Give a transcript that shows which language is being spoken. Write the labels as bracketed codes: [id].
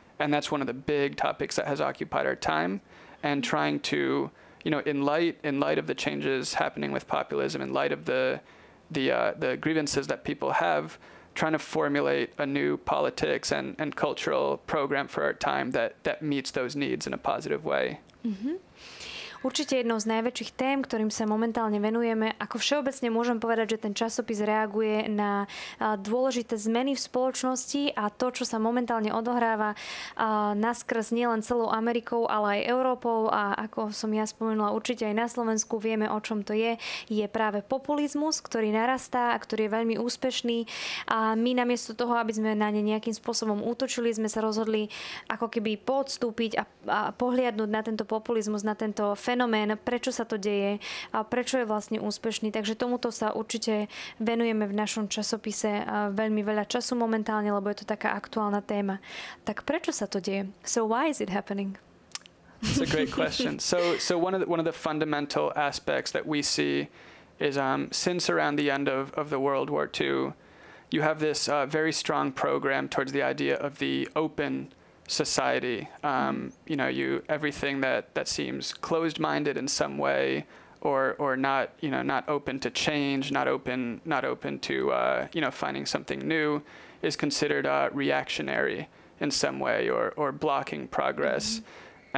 [en] And that's one of the big topics that has occupied our time, and trying to, you know, in light of the changes happening with populism, in light of the grievances that people have, trying to formulate a new politics and cultural program for our time that meets those needs in a positive way. Mm-hmm. [sk] Určite jednou z najväčších tém, ktorým sa momentálne venujeme, ako všeobecne môžem povedať, že ten časopis reaguje na dôležité zmeny v spoločnosti a to, čo sa momentálne odohráva naskrz nielen celou Amerikou, ale aj Európou a ako som ja spomenula, určite aj na Slovensku vieme, o čom to je, je práve populizmus, ktorý narastá a ktorý je veľmi úspešný a my namiesto toho, aby sme na ne nejakým spôsobom útočili, sme sa rozhodli ako keby podstúpiť a pohliadnúť na tento populizmus, na tento fenomén, prečo sa to deje a prečo je vlastne úspešný. Takže tomuto sa určite venujeme v našom časopise veľmi veľa času momentálne, lebo je to taká aktuálna téma. Tak prečo sa to deje? [en] So why is it happening? That's a great question. So one of the fundamental aspects that we see is since around the end of the World War II, you have this very strong program towards the idea of the open society. You know, you everything that seems closed-minded in some way or not, you know, not open to change, not open to you know, finding something new is considered reactionary in some way or blocking progress. Mm-hmm.